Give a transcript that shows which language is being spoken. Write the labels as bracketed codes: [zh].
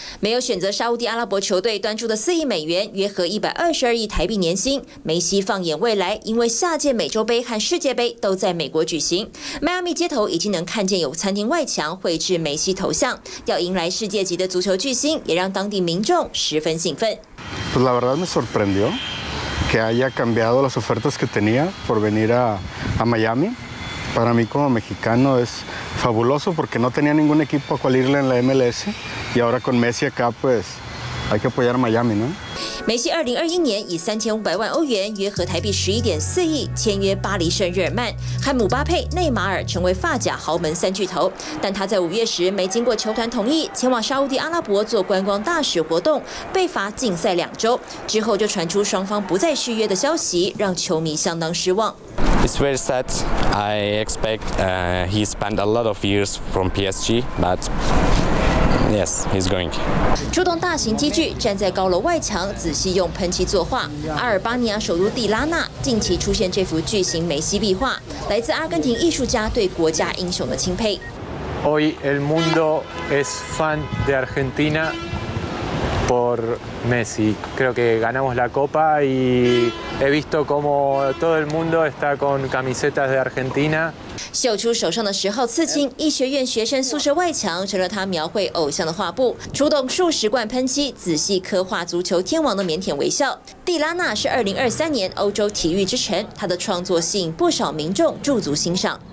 [zh] 没有选择沙烏地阿拉伯球队端出的4亿美元约合122亿台币年薪，梅西放眼未来，因为下届美洲杯和世界杯都在美国举行，迈阿密街头已经能看见有餐厅外墙绘制梅西头像，要迎来世界级的足球巨星，也让当地民众十分兴奋。 [es] La verdad me sorprendió que haya cambiado las ofertas que tenía por venir a Miami. Para mí como mexicano es fabuloso porque no tenía ningún equipo a cual irle en la MLS y ahora con Messi acá pues hay que apoyar Miami, ¿no? [zh] 梅西2021年以3500万欧元约合台币11.4亿签约巴黎圣日耳曼，和姆巴佩、内马尔成为发甲豪门三巨头。但他在5月时没经过球团同意，前往沙烏地阿拉伯做观光大使活动，被罚禁赛2周。之后就传出双方不再续约的消息，让球迷相当失望。 [en] It's very sad. I expect he spent a lot of years from PSG, but yes, he's going. [zh] 出动大型机具，站在高楼外墙。仔细用喷漆作画，阿尔巴尼亚首都蒂拉纳近期出现这幅巨型梅西壁画，来自阿根廷艺术家对国家英雄的钦佩。 [es] Hoy el mundo es fan de Argentina por Messi. Creo que ganamos la Copa y he visto cómo todo el mundo está con camisetas de Argentina. [zh] 秀出手上的十号刺青，医学院学生宿舍外墙成了他描绘偶像的画布。出动数十罐喷漆，仔细刻画足球天王的腼腆微笑。蒂拉纳是2023年欧洲体育之城，他的创作吸引不少民众驻足欣赏。